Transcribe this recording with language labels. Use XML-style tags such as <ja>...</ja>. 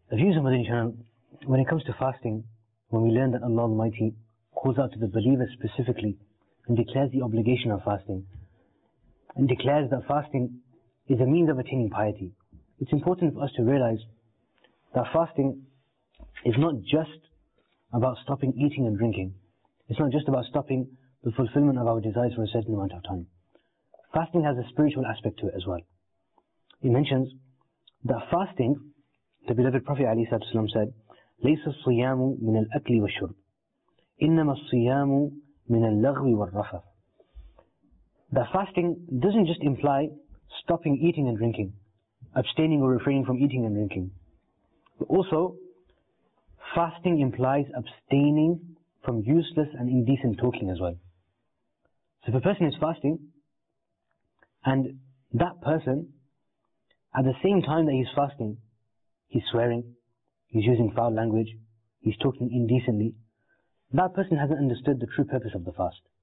<en>The views of Madani Channel, when it comes to fasting, when we learn that Allah Almighty calls out to the believer specifically and declares the obligation of fasting, and declares that fasting is a means of attaining piety, it's important for us to realize that fasting is not just about stopping eating and drinking. It's not just about stopping the fulfillment of our desires for a certain amount of time. Fasting has a spiritual aspect to it as well. He mentions that fasting, the beloved Prophet ﷺ said,</en> <ar>لَيْسَ الصِّيَامُ مِنَ الْأَكْلِ وَالشُّرْبِ إِنَّمَا الصِّيَامُ مِنَ اللَّغْوِ وَالرَّفَثِ.</ar> <en>That fasting doesn't just imply stopping eating and drinking, abstaining or refraining from eating and drinking. But also, fasting implies abstaining from useless and indecent talking as well. So if a person is fasting, and that person, at the same time that he's fasting, he's swearing, he's using foul language, he's talking indecently, that person hasn't understood the true purpose of the fast.</en>